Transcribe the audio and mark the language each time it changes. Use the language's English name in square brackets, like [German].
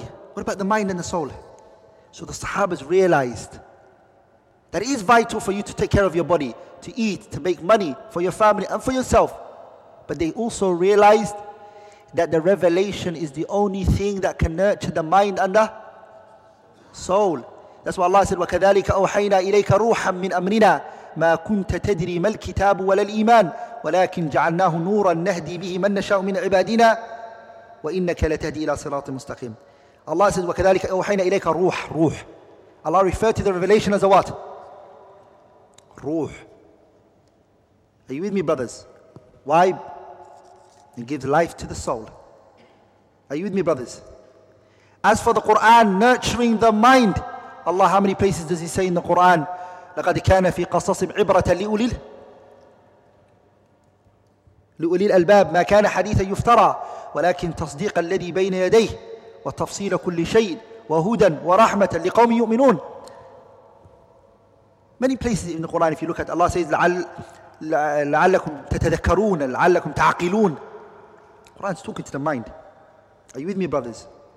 [English] What about the mind and the soul? So the Sahabas realized that it is vital for you to take care of your body, to eat, to make money for your family and for yourself. But they also realized that the revelation is the only thing that can nurture the mind and the soul. That's why Allah said, [Arabic] وَكَذَلِكَ أَوْحَيْنَا إِلَيْكَ رُوحًا مِّنْ أَمْرِنَا مَا كُنْتَ تَدْرِي مَا الْكِتَابُ وَلَا الْإِيمَانِ وَلَكِنْ جَعَلْنَاهُ نُورًا نَهْدِي بِهِ مَنْ نَشَاءُ مِنْ عِبَادِنَا وَإِنَّكَ لَتَهْدِي إِلَى صِرَاطٍ مُسْتَقِيمٍ. [English] Allah said, [Arabic] وَكَذَلِكَ أَوْحَيْنَا إِلَيْكَ روح. [English] Allah referred to the revelation as a what? Ruh. Are you with me, brothers? Why? It gives life to the soul. Are you with me, brothers? As for the Quran, [Arabic] nurturing the mind, Allah, how many places does He say in the Quran, لَقَدْ كَانَ فِي قَصَصِمْ عِبْرَةً لِؤُلِي الْأَلْبَابِ مَا كَانَ حَدِيثًا يُفْتَرَى وَلَكِنْ تَصْدِيقَ الَّذِي بَيْنَ يَدَيْهِ وَتَفْصِيلَ كُلِّ شَيْءٍ وَهُدًى وَرَحْمَةً لِقَوْمٍ يُؤْمِنُونَ. [English] Many places in the Quran, if you look at, Allah says, [Arabic] لَعَلَّكُمْ تَتَذَكَّرُونَ لَعَلَّكُمْ تَعَقِلُونَ. [English] Quran is talking to the mind. Are you with me, brothers?